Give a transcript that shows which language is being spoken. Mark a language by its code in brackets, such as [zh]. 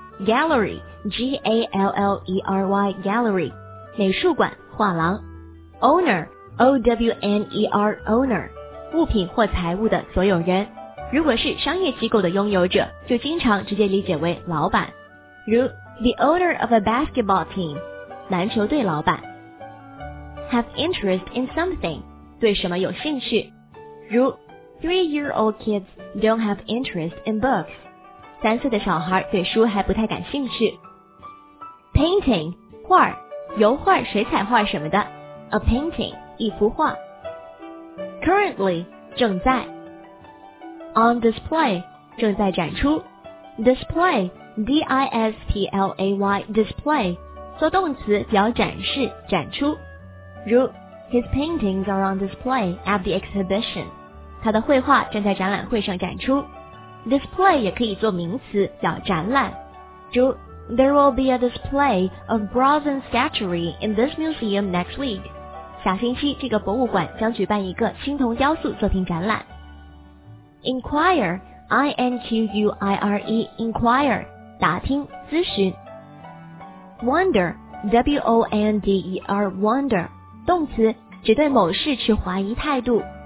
[en] Gallery, G-A-L-L-E-R-Y, gallery, [zh] 美术馆画廊。 Owner,O-W-N-E-R, owner, 物品或财物的所有人。如果是商业机构的拥有者，就经常直接理解为老板。 [en] 如 The owner of a basketball team, [zh] 篮球队老板。 [en] Have interest in something, [zh] 对什么有兴趣。 [en] 如 3-year-old kids don't have interest in books, [zh] 三岁的小孩对书还不太感兴趣。 Painting, 画，油画、水彩画什么的。 [en] A painting, [zh] 一幅画。 [en] Currently, [zh] 正在。 [en] On display, [zh] 正在展出。Display, D-I-S-P-L-A-Y, display, 做动词表展示、展出。 [en] 如 His paintings are on display at the exhibition. [zh] 他的绘画正在展览会上展出。 Display 也可以做名词表展览。 [en] 如 There will be a display of bronze statuary in this museum next week. [zh] 下星期这个博物馆将举办一个青铜雕塑作品展览。 [en] Inquire, I-N-Q-U-I-R-E, inquire, [zh] 打听、咨询。 Wonder, W-O-N-D-E-R, wonder, 动词指对某事持怀疑态度。